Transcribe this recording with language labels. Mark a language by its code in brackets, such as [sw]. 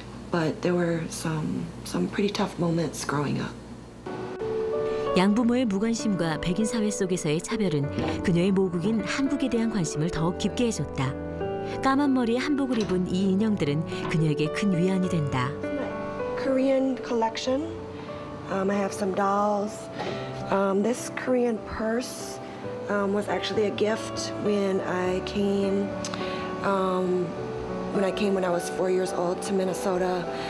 [en] But there were some pretty tough moments growing up. [ko] 양부모의 무관심과 백인 사회 속에서의 차별은 그녀의 모국인 한국에 대한 관심을 더욱 깊게 해줬다. 까만 머리에 한복을 입은 이 인형들은 그녀에게 큰 위안이 된다. [en] Korean collection. I have some dolls. This Korean purse was actually a gift when I was 4 years old to Minnesota.